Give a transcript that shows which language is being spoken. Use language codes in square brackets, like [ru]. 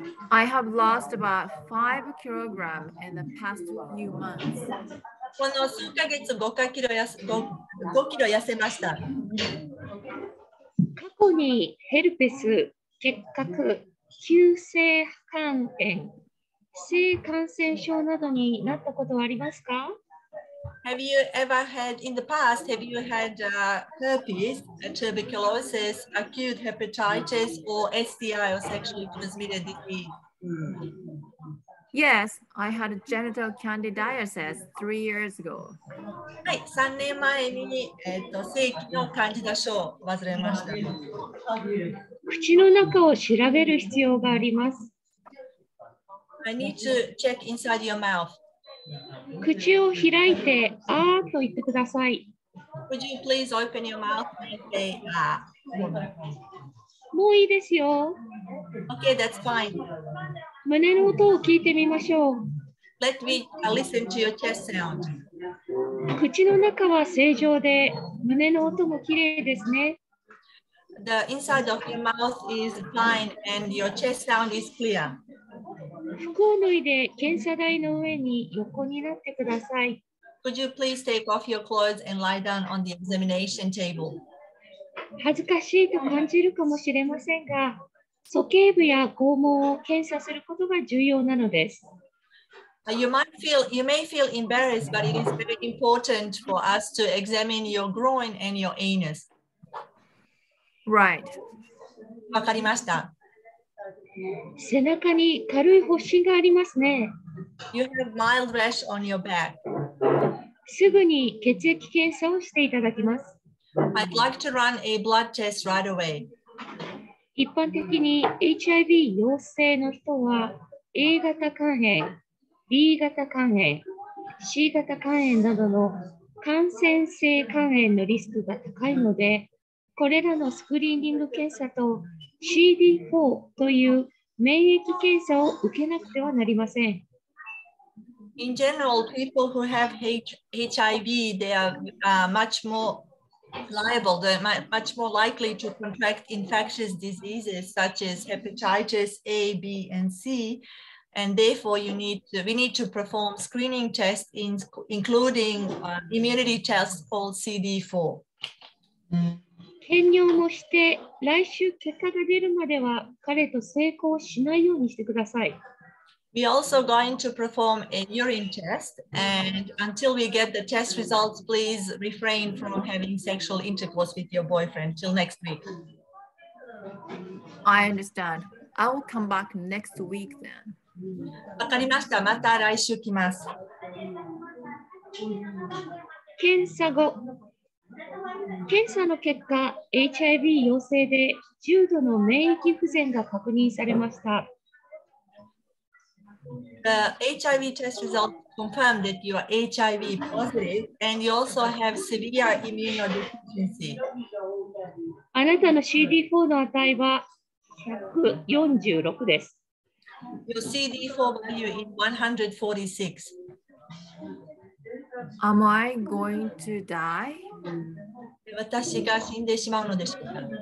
[en] I have lost about 5 kilograms in the past few months. [ja] この数ヶ月5キロ痩せました。過去にヘルペス、結核、急性肝炎、性感染症などになったことはありますか？ [en] Have you ever had in the past, have you had herpes, tuberculosis, acute hepatitis, or STI, or sexually transmitted disease? Yes, I had a genital candidiasis 3 years ago. [ja] はい、3年前に、性器のカンジダ症を患いました。口の中を調べる必要があります。 [en] I need to check inside your mouth. [ja] 口を開いて、あーと言ってください。 [en] Would you please open your mouth and say, ah. [ja] もういいですよ。 [en] Okay, that's fine. [ja] 胸の音を聞いてみましょう。 [en] Let me listen to your chest sound. [ja] 口の中は正常で、胸の音もきれいですね。 [en] The inside of your mouth is fine and your chest sound is clear. [ja] 服を脱いで検査台の上に横になってください。 [en] Could you please take off your clothes and lie down on the examination table? [ja] 恥ずかしいと感じるかもしれませんが、鼠径部や肛門を検査することが重要なのです。 [en] You may feel embarrassed, but it is very important for us to examine your groin and your anus. Right. [ja] わかりました。背中に軽い発疹がありますね。 [en] You have mild rash on your back. [ja] すぐに血液検査をしていただきます。 [en] I'd like to run a blood test right away. [ja] 一般的に HIV 陽性の人は A 型肝炎、B 型肝炎、C 型肝炎などの感染性肝炎のリスクが高いので、これらのスクリーニング検査と CD4 という免疫検査を受けなくてはなりません。 [en] In general, people who have HIV, they are much more likely to contract infectious diseases such as hepatitis A, B, and C. And therefore, we need to perform screening tests, including immunity tests called CD4. [ja] 検尿もして、来週結果が出るまでは彼と性交をしないようにしてください。 [en] We also going to perform a urine test, and until we get the test results, please refrain from having sexual intercourse with your boyfriend till next week. I understand. I will come back next week then. [ja] わかりました。また来週来ます。検査後、検査の結果、HIV 陽性で重度の免疫不全が確認されました。 [en] The HIV test results confirm that you are HIV positive and you also have severe immunodeficiency. [ja] あなたの CD4 の値は146です。 [en] Your CD4 value is 146. Am I going to die? [ja] 私が死んでしまうのでしょうか?